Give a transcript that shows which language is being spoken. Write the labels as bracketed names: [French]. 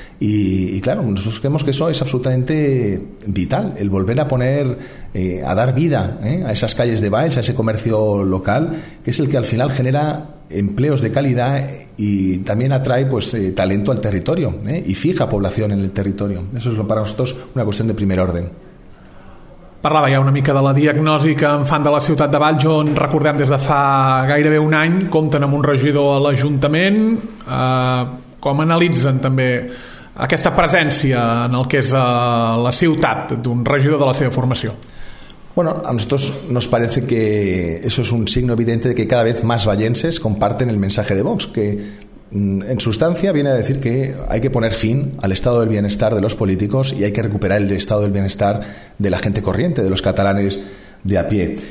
[Spanish] Y claro, nosotros creemos que eso es absolutamente vital, el volver a poner, a dar vida a esas calles de Valls, a ese comercio local, que es el que al final genera empleos de calidad y también atrae talento al territorio y fija población en el territorio. Eso es para nosotros una cuestión de primer orden. [Catalan] Parlava ja una mica de la diagnosi que en fan de la ciutat de Valls, on recordem des de fa gairebé un any compten amb un regidor a l'Ajuntament. Com analitzen també aquesta presència en el que és la ciutat d'un regidor de la seva formació? [Spanish] Bueno, a nosotros nos parece que eso es un signo evidente de que cada vez más vallenses comparten el mensaje de Vox, que en sustancia viene a decir que hay que poner fin al estado del bienestar de los políticos y hay que recuperar el estado del bienestar de la gente corriente, de los catalanes de a pie.